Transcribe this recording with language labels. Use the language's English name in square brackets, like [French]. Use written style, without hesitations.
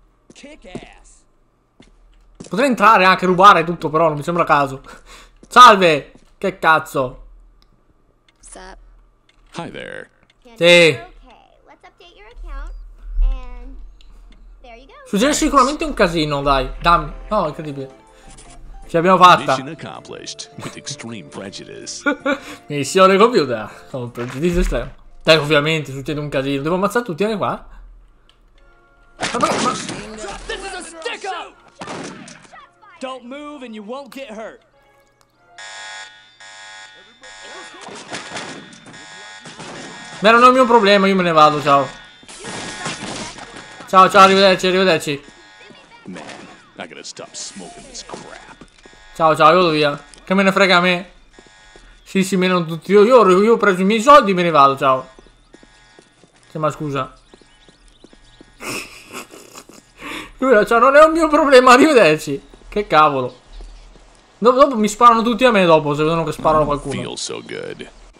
[Italian] Potrei entrare anche rubare tutto, però non mi sembra caso. Salve. Che cazzo. [English] Hi there. [Italian] Sì. Succede sicuramente un casino, dai. Dammi. No, oh, incredibile. Ci abbiamo fatta. [English] Mission accomplished with extreme prejudice. [Italian] Missione compiuta con pregiudizio estremo. Dai, ovviamente succede un casino. Devo ammazzare tutti, anche qua. [English] Don't move and you won't get hurt. [Italian] Ma non è il mio problema, io me ne vado, ciao. Ciao, arrivederci. [English] Man, I gotta stop smoking this crap. [Italian] Ciao ciao, io vado via. Che me ne frega a me. Sì sì, meno tutti. Io ho preso i miei soldi e me ne vado, ciao. Sì, ma scusa. Cioè, non è un mio problema, arrivederci. Che cavolo. Dopo mi sparano tutti a me dopo, se vedono che sparano qualcuno. [English] So good.